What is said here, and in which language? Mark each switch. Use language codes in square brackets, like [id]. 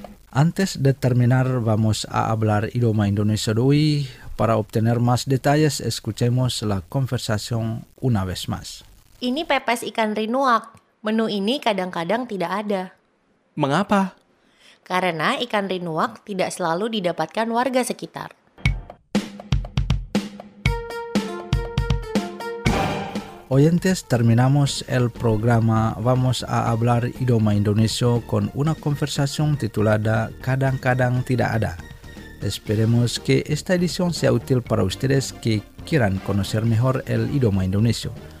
[es] Antes de terminar, vamos a hablar idioma indonesio de hoy. Para obtener más detalles, escuchemos la conversación una vez más. [id] Ini pepes ikan rinuak. Menu ini kadang-kadang tidak ada. Mengapa? Karena ikan rinuak tidak selalu didapatkan warga sekitar. [es] Oyentes, terminamos el programa Vamos a Hablar Idioma Indonesio con una conversación titulada Kadang-kadang Tidak Ada. Esperemos que esta edición sea útil para ustedes que quieran conocer mejor el idioma indonesio.